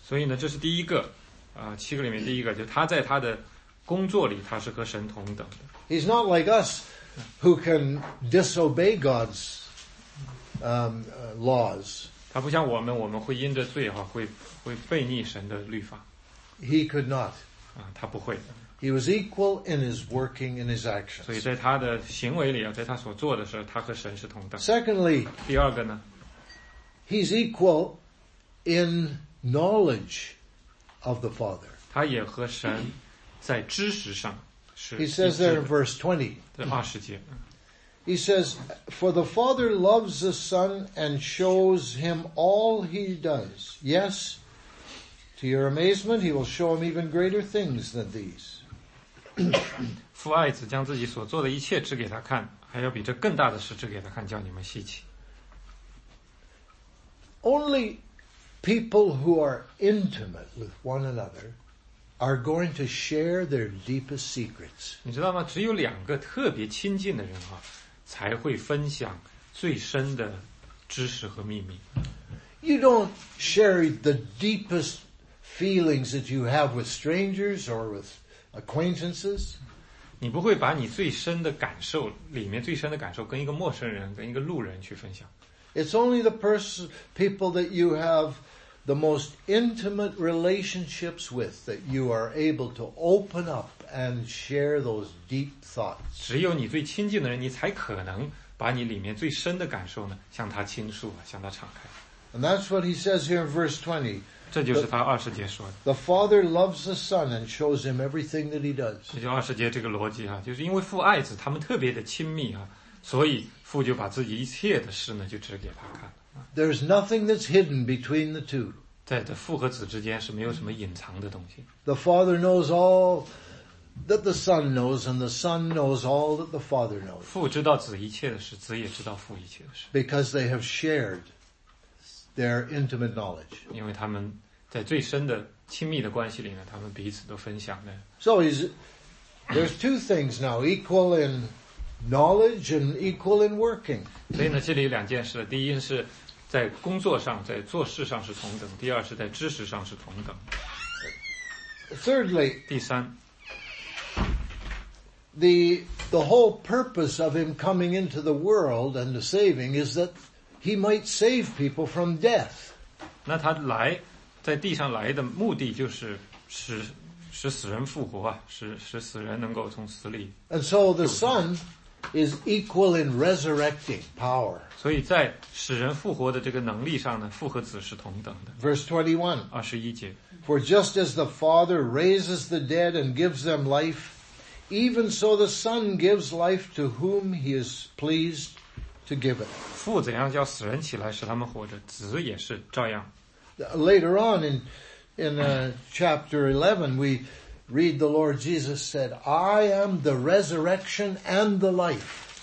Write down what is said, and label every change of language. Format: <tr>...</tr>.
<zh>所以呢，这是第一个七个里面第一个，就他在他的工作里，他是和神同等的。</zh> <en>He's not like us, who can disobey God's laws.</en> <zh>他不像我们，我们会因着罪哈，会悖逆神的律法。</zh> <en>He could not.</en> <zh>他不会。</zh> <en>He was equal in his working and his actions.</en> <zh>所以在他的行为里，在他所做的时候，他和神是同等。</zh> <en>Secondly,</en> <zh>第二个呢</zh> <en>？He's equal in knowledge of the Father.</en> <zh>他也和神在知识上是一致的。</zh> <en>He says there in verse 20.</en> <zh>在二十节。</zh> <en>He says, for the Father loves the Son and shows him all he does. Yes, to your amazement, he will show him even greater things than these.</en> <zh>父爱子将自己所做的一切指给他看，还要比这更大的事指给他看，叫你们稀奇。</zh> <en>Only people who are intimate with one another are going to share their deepest secrets.</en> <zh>你知道吗？只有两个特别亲近的人啊，才会分享最深的知识和秘密。</zh> <en>You don't share the deepest feelings that you have with strangers or with acquaintances.</en> <zh>你不会把你最深的感受，里面最深的感受，跟一个陌生人，跟一个路人去分享。</zh> <en>It's only the people that you have the most intimate relationships with that you are able to open up and share those deep thoughts.</en> <zh>只有你最亲近的人，你才可能把你里面最深的感受呢，向他倾诉，向他敞开。</zh> <en>And that's what he says here in verse 20.</en> <zh>这就是他二十节说的。</zh> <en>The Father loves the Son and shows him everything that he does.</en> <zh>这就二十节这个逻辑啊，就是因为父爱子，他们特别的亲密啊，所以父就把自己一切的事呢，就指给他看。</zh> <en>There's nothing that's hidden between the two.</en> <zh>在的父和子之间是没有什么隐藏的东西。</zh> <en>The Father knows all that the Son knows, and the Son knows all that the Father knows.</en> <zh>父知道子一切的事，子也知道父一切的事。</zh> <en>Because they have shared their intimate knowledge.</en> <zh>因为他们在最深的亲密的关系里呢，他们彼此都分享的。</zh> <en>So there's two things now, equal in knowledge and equal in working.</en> <zh>所以呢，这里有两件事，第一是在工作上，在做事上是同等；第二是在知识上是同等。</zh> <en>Thirdly,</en> <zh>第三</zh> <en>，the whole purpose of him coming into the world and the saving is that he might save people from death.</en> <zh>那他来在地上来的目的就是使死人复活啊，使死人能够从死里。</zh> <en>And so the Son is equal in resurrecting power.</en> <zh>所以在使人复活的这个能力上呢，父和子是同等的。</zh> <en>Verse 21.</en> <zh>二十一节。</zh> <en>For just as the Father raises the dead and gives them life, even so the Son gives life to whom he is pleased to give it.</en> <zh>父怎样叫死人起来使他们活着，子也是照样。</zh> <en>Later on chapter 11, we read the Lord Jesus said, I am the resurrection and the life.</en>